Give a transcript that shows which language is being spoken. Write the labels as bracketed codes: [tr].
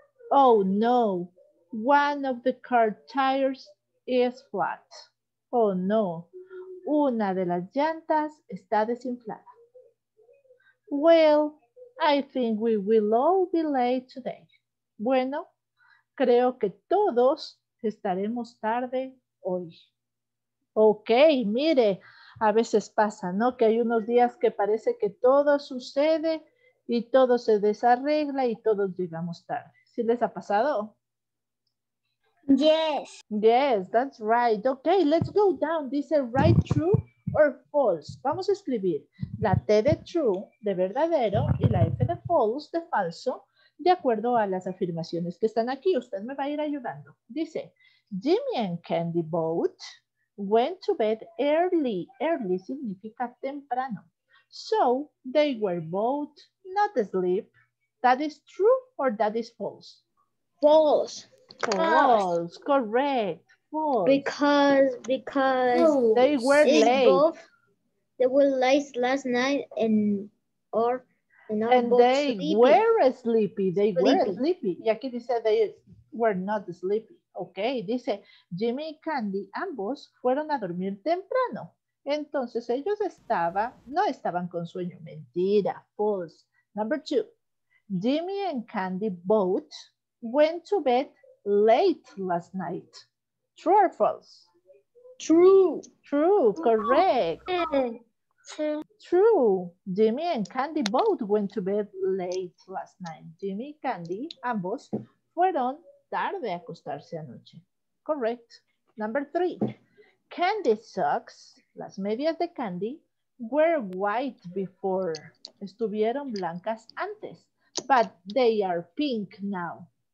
[en] Oh no, one of the car tires is flat. [es] Oh no, una de las llantas está desinflada. [en] Well, I think we will all be late today. [es] Bueno, creo que todos estaremos tarde hoy. Ok, mire, a veces pasa, ¿no? Que hay unos días que parece que todo sucede y todo se desarregla y todos llegamos tarde. ¿Sí les ha pasado? [en] Yes. Yes, that's right. Ok, let's go down. Dice, right, true or false. [es] Vamos a escribir la T de true, de verdadero, y la F de false, de falso, de acuerdo a las afirmaciones que están aquí. Usted me va a ir ayudando. [en] Dice, Jimmy and Candy both went to bed early. Early [es] significa temprano. [en] So they were both not asleep. That is true or that is false? False. False. Correct. False. Because no. They were late. Both, they were late last night and they were sleepy. [es] Y aquí dice [en] they were not sleepy. [es] Ok, dice Jimmy y Candy, ambos fueron a dormir temprano. Entonces ellos no estaban con sueño. Mentira, false. [en] Number two, Jimmy and Candy both went to bed late last night. True or false? True. True, correct. True. Jimmy and Candy both went to bed late last night. [es] Jimmy y Candy, ambos, fueron tarde a acostarse anoche. [en] Correct. Number three. Candy socks, [es] las medias de Candy, [en] were white before. [es] Estuvieron blancas antes. [en] But they are pink now.